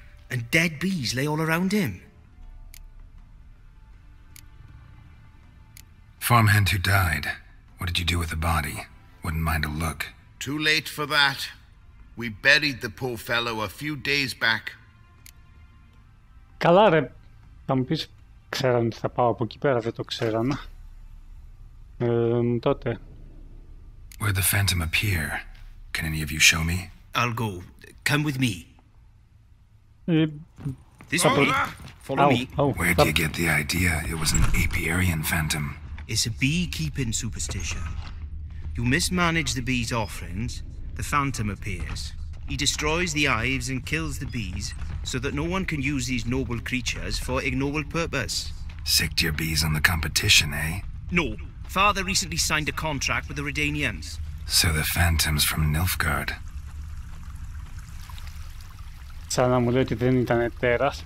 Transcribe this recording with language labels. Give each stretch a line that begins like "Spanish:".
English: And dead bees lay all around him. Farmhand who died. What did you do with the body? Wouldn't mind a look. Too late for that. We buried the poor fellow a few days back.
Greek: Καλά ρε. Θα μου πεις, ξέραν ότι θα πάω από εκεί πέρα, δεν το ξέραν. Τότε.
English: Where the Phantom appear? Can any of you show me? I'll go. Come with me. This one. Follow me. Where do you get the idea? It was an Apiarian Phantom. It's a beekeeping superstition. You mismanage the bees' offerings, the Phantom appears. He destroys the hives and kills the bees so that no one can use these noble creatures for ignoble purpose. Sicked your bees on the competition, eh? No. Father recently signed a contract with the Redanians. So the Phantom's from Nilfgaard.
Greek: Σαν να μου λέει ότι δεν ήταν τέρας.